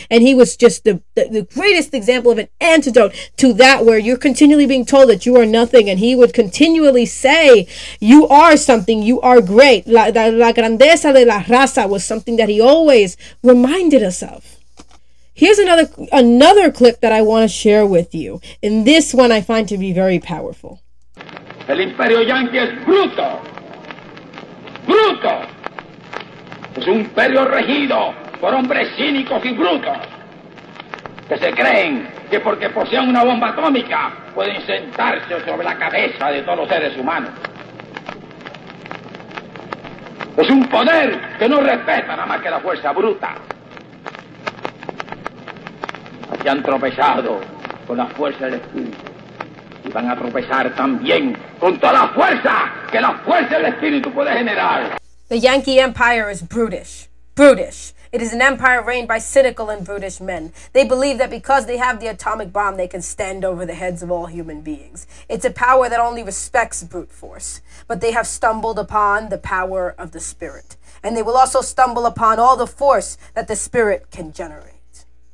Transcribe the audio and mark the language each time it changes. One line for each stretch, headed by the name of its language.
English: And he was just the greatest example of an antidote to that, where you're continually being told that you are nothing, and he would continually say, "You are something, you are great."
Spanish: La grandeza de la raza
English: was something that he always reminded us of. Here's another clip that I want to share with you. And this one I find to be very powerful.
Spanish: El imperio yanqui es bruto, bruto, es un imperio regido por hombres cínicos y brutos, que se creen que porque posean una bomba atómica pueden sentarse sobre la cabeza de todos los seres humanos. Es un poder que no respeta nada más que la fuerza bruta. Aquí han tropezado con la fuerza del espíritu. Y van a tropezar también con toda la fuerza que la fuerza del espíritu puede generar.
English: The Yankee Empire is brutish. Brutish. It is an empire reigned by cynical and brutish men. They believe that because they have the atomic bomb, they can stand over the heads of all human beings. It's a power that only respects brute force. But they have stumbled upon the power of the spirit. And they will also stumble upon all the force that the spirit can generate.